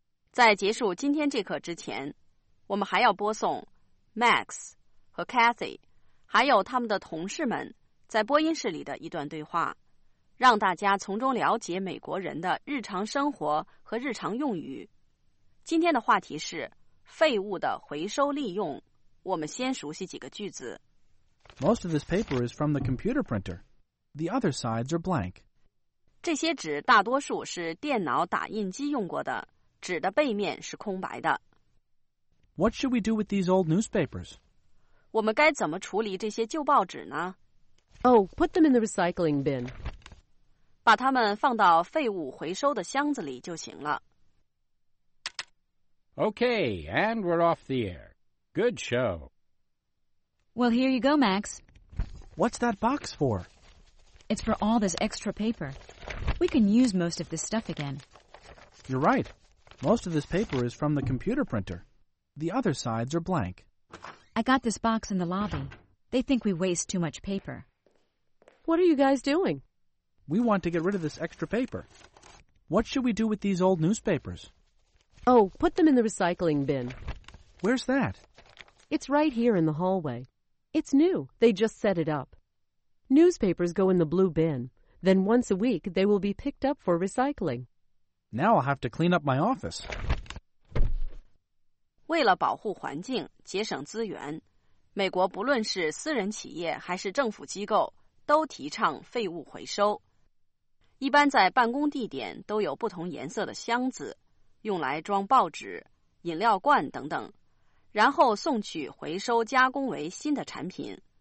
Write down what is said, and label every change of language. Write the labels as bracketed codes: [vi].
[zh] 在结束今天这课之前，我们还要播送 Max 和 Cathy 还有他们的同事们在播音室里的一段对话，让大家从中了解美国人的日常生活和日常用语。今天的话题是废物的回收利用。我们先熟悉几个句子。 [en] Most of this paper is from the computer printer. The other sides are blank. [zh] 这些纸大多数是电脑打印机用过的，纸的背面是空白的。 [en] What should we do with these old newspapers? [zh] 我们该怎么处理这些旧报纸呢？ [en] Oh, put them in the recycling bin. [zh] 把它们放到废物回收的箱子里就行了。 [en] Okay, and we're off the air. Good show. Well, here you go, Max. What's that box for? It's for all this extra paper. We can use most of this stuff again. You're right. Most of this paper is from the computer printer. The other sides are blank. I got this box in the lobby. They think we waste too much paper. What are you guys doing? We want to get rid of this extra paper. What should we do with these old newspapers? Oh, put them in the recycling bin. Where's that? It's right here in the hallway. It's new. They just set it up. Newspapers go in the blue bin. Then once a week, they will be picked up for recycling. Now I'll have to clean up my office. [zh] 为了保护环境，节省资源，美国不论是私人企业还是政府机构，都提倡废物回收。一般在办公地点都有不同颜色的箱子，用来装报纸、饮料罐等等，然后送去回收加工为新的产品。